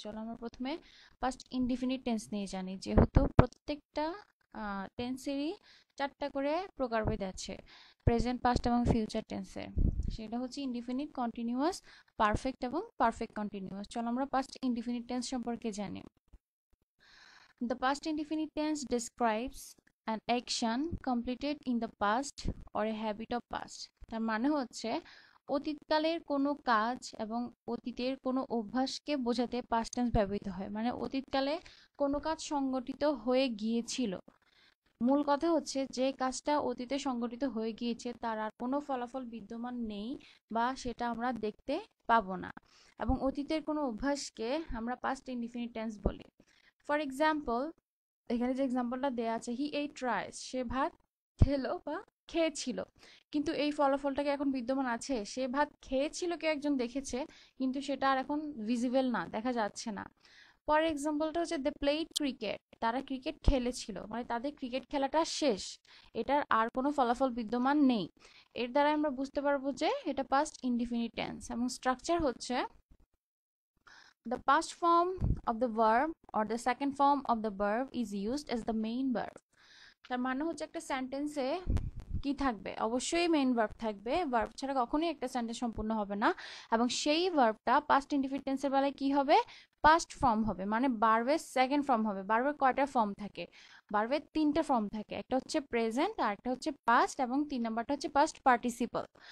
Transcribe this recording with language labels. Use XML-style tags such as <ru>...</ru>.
<bn>চলো আমরা প্রথমে পাস্ট ইনডিফিনিট টেন্স নিয়ে জানি, যেহেতু প্রত্যেকটা টেন্সেরই চারটা করে প্রকারভেদ আছে, প্রেজেন্ট, পাস্ট এবং ফিউচার টেন্সের। সেটা হচ্ছে ইনডিফিনিট, কন্টিনিউয়াস, পারফেক্ট এবং পারফেক্ট কন্টিনিউয়াস। চলো আমরা পাস্ট ইনডিফিনিট টেন্স সম্পর্কে জানি।</bn> <en>The past indefinite tense describes an action completed in the past or a habit of past.</en> <bn>তার মানে হচ্ছে অতীতকালের কোনো কাজ এবং অতীতের কোনো অভ্যাসকে বোঝাতে past tense ব্যবহৃত হয়। মানে অতীতকালে কোনো কাজ সংগঠিত হয়ে গিয়েছিল, মূল কথা হচ্ছে যে কাজটা অতীতে সংগঠিত হয়ে গিয়েছে তার আর কোনো ফলাফল বিদ্যমান নেই বা সেটা আমরা দেখতে পাবো না, এবং অতীতের কোনো অভ্যাসকে আমরা past indefinite tense বলি। ফর এক্সাম্পল, এখানে যে এক্সাম্পলটা দেওয়া আছে, হি এই ট্রাইস, সে ভাত খেলো বা খেয়েছিল, কিন্তু এই ফলাফলটাকে এখন বিদ্যমান আছে। সে ভাত খেয়েছিল, কেউ একজন দেখেছে, কিন্তু সেটা আর এখন ভিজিবল না, দেখা যাচ্ছে না। পরের এক্সাম্পলটা হচ্ছে দ্য প্লেড ক্রিকেট, তারা ক্রিকেট খেলেছিল, মানে তাদের ক্রিকেট খেলাটা শেষ, এটার আর কোনো ফলাফল বিদ্যমান নেই। এর দ্বারা আমরা বুঝতে পারবো যে এটা পাস্ট ইনডিফিনিট টেন্স। এবং স্ট্রাকচার হচ্ছে</bn> <en>The past form of the verb or the second form of the verb is used as the main verb.</en> <bn>তার মানে হচ্ছে একটা সেন্টেন্সে কি থাকবে, অবশ্যই মেইন ভার্ব থাকবে, ভার্ব ছাড়া কখনোই একটা সেন্টেন্স সম্পূর্ণ হবে না, এবং সেই ভার্বটা পাস্ট ইনডিফিনিট টেন্সের বেলায় কি হবে, পাস্ট ফর্ম হবে, মানে ভার্বের সেকেন্ড ফর্ম হবে। ভার্বের কয়টা ফর্ম থাকে? ভার্বের তিনটা ফর্ম থাকে, একটা হচ্ছে প্রেজেন্ট, আর একটা হচ্ছে পাস্ট, এবং তিন নাম্বারটা হচ্ছে পাস্ট পার্টিসিপল।</bn>